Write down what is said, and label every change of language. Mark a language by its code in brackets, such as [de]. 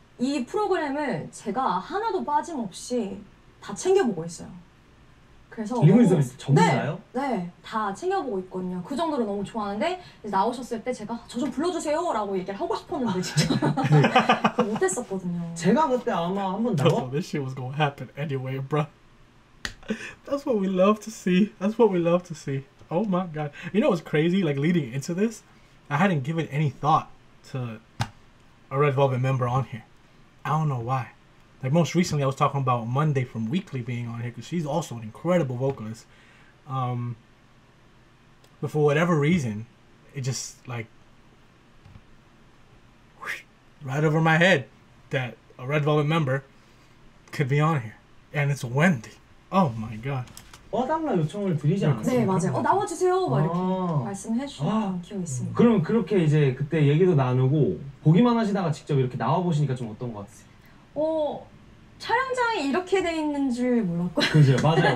[ko] 이 프로그램을 제가 하나도 빠짐없이 다 챙겨보고 있어요. 그래서 리무진 너무... 전문가요? 네, 네, 다 챙겨보고 있거든요. 그 정도로 너무 좋아하는데 이제 나오셨을 때 제가 저 좀 불러주세요라고 얘기를 하고 싶었는데 진짜 못했었거든요. 제가 그때 아마 한번 나와. [en] So this shit was gonna happen anyway, bro. That's what we love to see. That's what we love to see. Oh my god. You know what's crazy? Like leading into this, I hadn't given any thought to a Red Velvet member on here. I don't know why. Like most recently, I was talking about Monday from Weekly being on here because she's also an incredible vocalist. But for whatever reason, it just like right over my head that a Red Velvet member could be on here. And it's Wendy. Oh my god. [ko] 와달라 요청을 드리지 않았어요? 네, 맞아요. 나와주세요! 막 이렇게 말씀해 주셨던 기억이 있습니다. 그럼 그렇게 이제 그때 얘기도 나누고 보기만 하시다가 직접 이렇게 나와보시니까 좀 어떤 것 같으세요? 촬영장이 이렇게 돼 있는 줄 몰랐고요. 그죠, 맞아요.